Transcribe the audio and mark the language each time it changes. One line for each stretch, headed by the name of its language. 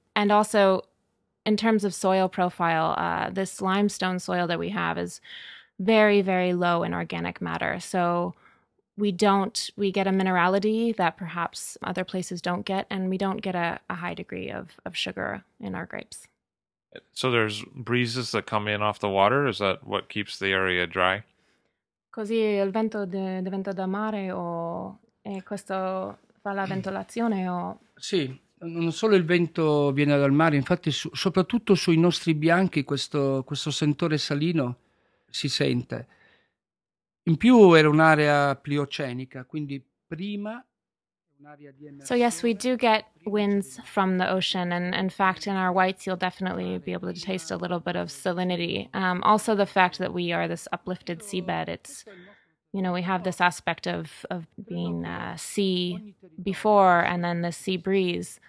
English: And also, in terms of soil profile, this limestone soil that we have is very, very low in organic matter. So we get a minerality that perhaps other places don't get, and we don't get a high degree of sugar in our grapes. So there's breezes that come in off the water? Is that what keeps the area dry?
Italian: Così il vento diventa da mare o questo fa la ventolazione o... Sì, non solo il vento viene dal mare, infatti soprattutto sui nostri bianchi questo sentore salino si sente. In più era un'area pliocenica, quindi prima...
English: So yes, we do get winds from the ocean, and in fact, in our whites, you'll definitely be able to taste a little bit of salinity. Also, the fact that we are this uplifted seabed, it's, you know, we have this aspect of being sea before and then the sea breeze.